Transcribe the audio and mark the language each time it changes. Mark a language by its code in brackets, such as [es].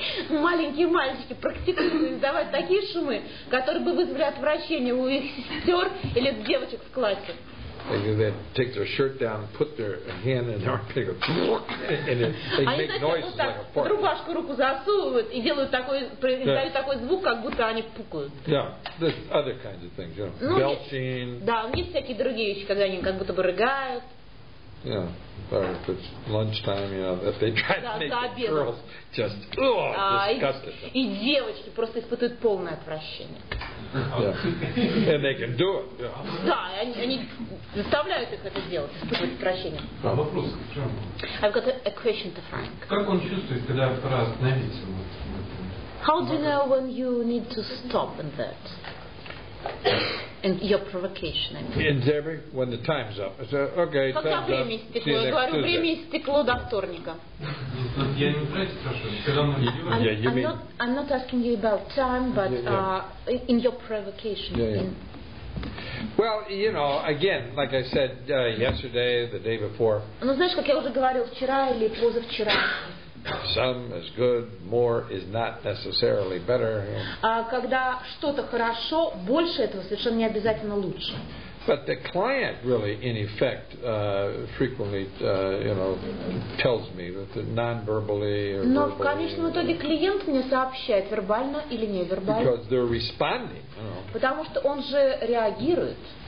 [ru] Маленькие мальчики практикуют издавать такие шумы, которые бы вызвали отвращение у их сестер или девочек в классе. [en] They take their shirt down, put their hand in their armpit, and they make noises like a fart. [ru] Рубашку руку засовывают и делают такой, издают такой звук, как будто они пукают. [en] Yeah, there's other kinds of things, you know, belching. [ru] Да, есть всякие другие вещи, когда они как будто бы рыгают. [en] Yeah, but it's lunchtime, you know, if they try to make the girls just disgusted. [ru] И девочки просто испытывают полное отвращение. [en] Yeah. And they can do it. [ru] Да, они заставляют их это делать, испытывать отвращение. А вопрос к чему? [en] I've got a question to Frank. [ru] Как он чувствует, когда пора остановиться? [en] How do you know when you need to stop in that? And your provocation. Ends every when the time's up. So, okay. [ru] Когда время истекло? Я говорю, время истекло до вторника. Я не про это спрашиваю. Когда мы идем? [en] I'm not asking you about time, but in your provocation. Well, you know, again, like I said yesterday, the day before. [ru] Ну знаешь, как я уже говорил вчера или позавчера. [en] Some is good, more is not necessarily better. [ru] Когда что-то хорошо, больше этого совершенно не обязательно лучше. [en] But the client really, in effect, frequently, you know, tells me that non-verbally or verbally. [ru] Но в конечном итоге клиент мне сообщает вербально или невербально. [en] Because they're responding. You know. [ru] Потому что он же реагирует.